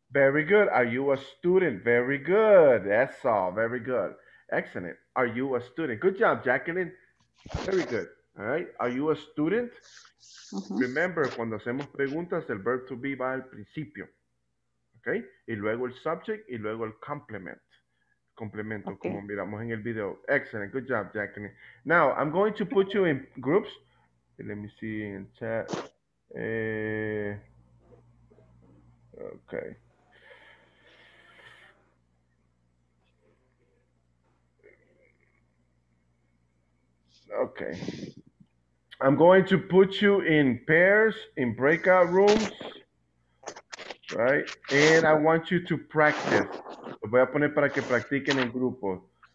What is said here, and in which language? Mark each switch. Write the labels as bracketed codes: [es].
[en] Very good. Are you a student? Very good. That's all. Very good. Excellent. Are you a student? Good job, Jacqueline. Very good. All right. Are you a student? Uh-huh. [es] Remember, cuando hacemos preguntas, el verb to be va al principio. Okay? Y luego el subject y luego el complement. Complemento, okay. Como miramos en el video. [en] Excellent. Good job, [es] Jacqueline. [en] Now, I'm going to put you in groups. Let me see in chat. Okay. Okay. I'm going to put you in pairs, in breakout rooms, right? And I want you to practice. [es] Lo voy a poner para que practiquen en grupo.